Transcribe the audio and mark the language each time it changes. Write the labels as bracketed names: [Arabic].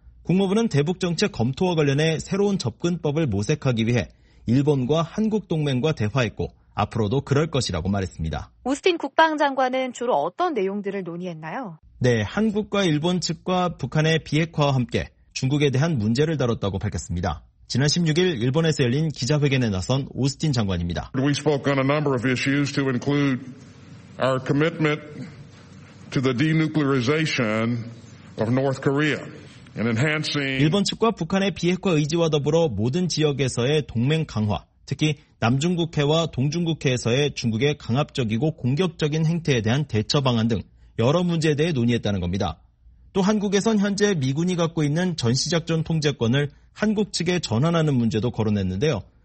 [Korean] 국무부는 대북정책 검토와 관련해 새로운 접근법을 모색하기 위해 일본과 한국 동맹과 대화했고 앞으로도 그럴 것이라고 말했습니다. 오스틴 국방장관은 주로 어떤 내용들을 논의했나요? 네, 한국과 일본 측과 북한의 비핵화와 함께 중국에 대한 문제를 다뤘다고 밝혔습니다. 지난 16일 일본에서 열린 기자회견에 나선 오스틴 장관입니다. [English] We spoke on a number of issues to include our commitment to the denuclearization of North Korea and enhancing [Korean] 일본 측과 북한의 비핵화 의지와 더불어 모든 지역에서의 동맹 강화, 특히 남중국해와 동중국해에서의 중국의 강압적이고 공격적인 행태에 대한 대처 방안 등 여러 문제에 대해 논의했다는 겁니다. 또 한국에선 현재 미군이 갖고 있는 전시작전 통제권을 한국 측에 전환하는 문제도 거론했는데요.